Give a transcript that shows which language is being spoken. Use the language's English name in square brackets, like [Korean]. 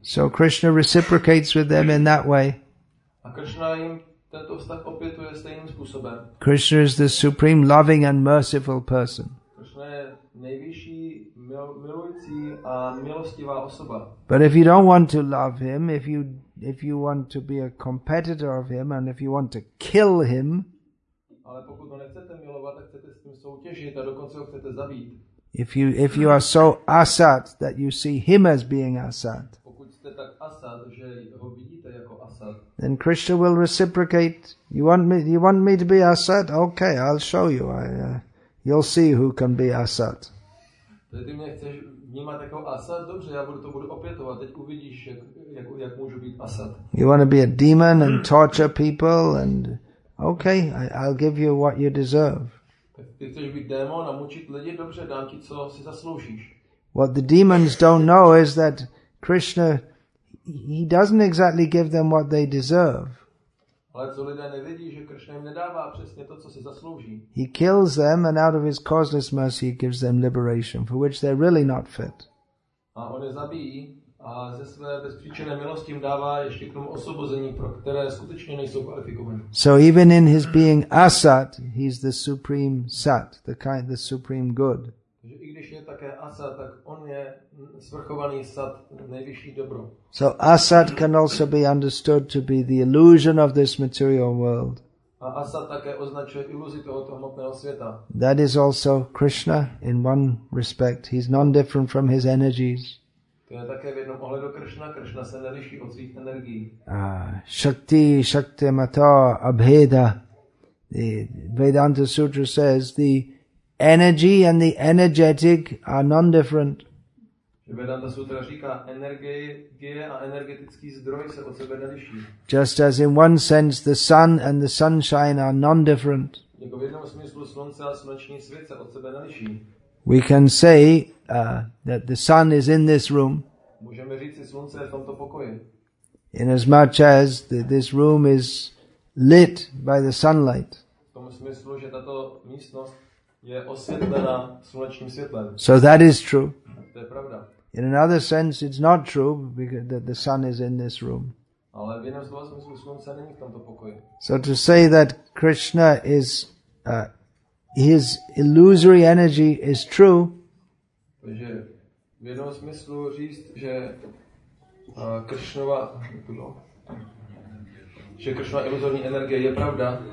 [English] So Krishna reciprocates with them in that way. [Czech] A Krishna jim tento vztah opětuje stejným způsobem. [English] Krishna is the supreme loving and merciful person. [Czech] Krishna je nejvyšší milující a milostivá osoba. [English] But if you don't want to love him, if you want to be a competitor of him and if you want to kill him, [Czech] ale pokud ho nechcete milovat, tak chcete s ním soutěžit a dokonce ho chcete zabít. [English] If you are so asat that you see him as being asat, [Czech] pokud jste tak asat, že ho vidíte jako asat, [English] then Krishna will reciprocate. You want me to be asat? Okay, I'll show you. You'll see who can be asat. [Czech] Tedy mě chceš vnímat jako asat? Dobře, já budu opětovat. Teď uvidíš, jak můžu být asat. [English] You want to be a demon and torture people? And okay, I'll give you what you deserve. [Czech] Ty chceš být démon a mučit lidi? Dobře, dám ti, co si zasloužíš. [English] What the demons don't know is that Krishna, he doesn't exactly give them what they deserve. [Czech] Ale co lidé nevidí, že Krishna jim nedává přesně to, co si zaslouží. [English] He kills them and out of his causeless mercy he gives them liberation, for which they're really not fit. [Czech] A on je zabíjí a ze své bezpříčené milosti jim dává ještě k tomu osvobození, pro které skutečně nejsou kvalifikovaní. [English] So even in his being asat, he's the supreme sat, the kind, the supreme good. [Czech] Takže i když je také asat, tak on je svrchovaný sat, nejvyšší dobro. [English] So asat can also be understood to be the illusion of this material world. [Czech] A asat také označuje iluzi tohoto hmotného světa. [English] That is also Krishna in one respect. He's non-different from his energies. [Czech] To je také v jednom ohledu Krishna. Krishna se neliší od svých energií. [Sanskrit] Shakti, shakti mata, abheda. [English] The Vedanta Sutra says the energy and the energetic are non-different. [Czech] Vedanta Sutra říká, energie a energetický zdroj se od sebe neliší. [English] Just as in one sense the sun and the sunshine are non-different. [Czech] Jako v jednom smyslu slunce a sluneční svět se od sebe neliší. [English] We can say that the sun is in this room. [Czech] Můžeme říct, že slunce je v tomto pokoji. [English] In as much as this room is lit by the sunlight. [Czech] V tom smyslu, že tato místnost je osvětlena slunečním světlem. [English] So that is true. [Czech] To je pravda. [English] In another sense, it's not true because that the sun is in this room. [Czech] Ale v jiném slova smyslu slunce není v tomto pokoji. [English] So to say that Krishna is his illusory energy is true. [Czech] Takže v jednom smyslu říct, že Krishnova že Krishna iluzorní energie je pravda.